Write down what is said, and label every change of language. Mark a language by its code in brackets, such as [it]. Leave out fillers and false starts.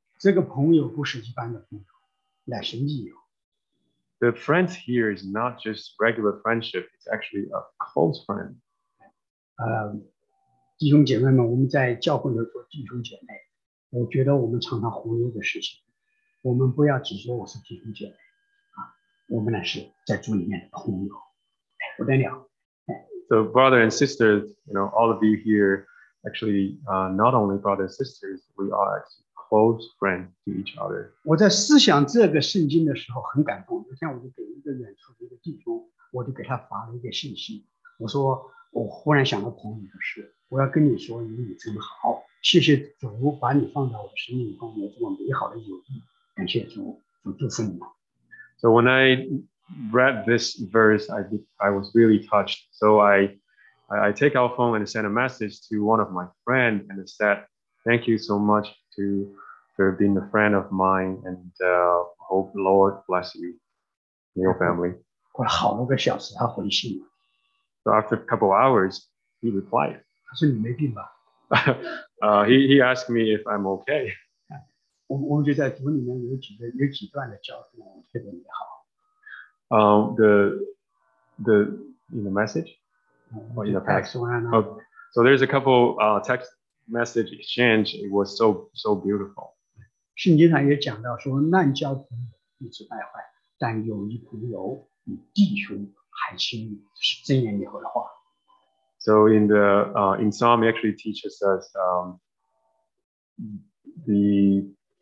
[zh] 这个朋友不是一般的朋友，乃是密友。 [en] The friends here is not just regular friendship, it's actually a close friend. [zh] 弟兄姐妹们，我们在教会里做弟兄姐妹，我觉得我们常常忽略的事情，我们不要只说我是弟兄姐妹，我们乃是在主里面的朋友，不得了。 [en] So brother and sister, you know, all of you here, actually, not only brothers and sisters, we are actually close friends to each other. [zh] 我在思想这个圣经的时候很感动，昨天我就给一个远处的一个弟兄，我就给他发了一个信息，我说我忽然想到朋友的事，我要跟你说与你真好，谢谢主把你放在我生命中有这么美好的友谊，感谢主，主祝福你们。 [en] So when I read this verse, I was really touched. So I take our phone and send a message to one of my friends and said, thank you so much for being a friend of mine and hope Lord bless you and your family. [zh] 过了好多个小时他回信了。 [en] So after a couple of hours, he replied. [zh] 他说你没病吧？ [en] he asked me if I'm okay. [zh] 我们就在组里面有几段的交通特别美好。 [en] The in the message or in the text. So there's a couple text message exchange. It was so beautiful. [zh] 圣经上也讲到说，滥交朋友必致败坏，但友谊朋友比弟兄还亲密，是箴言里头的话。 [en] So in the in Psalm, it actually teaches us the